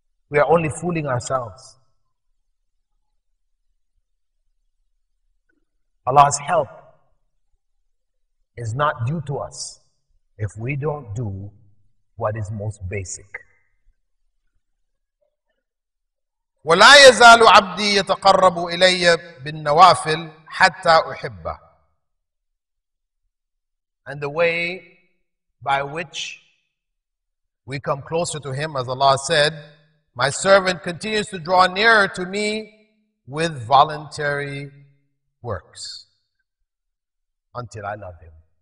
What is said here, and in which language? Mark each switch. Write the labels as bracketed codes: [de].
[en] We are only fooling ourselves. Allah's help is not due to us if we don't do what is most basic. [ar] ولا يزال عبدي يتقرب إلي بالنوافل حتى أحبه. [en] And the way by which we come closer to Him, as Allah said, my servant continues to draw nearer to me with voluntary works until I love him.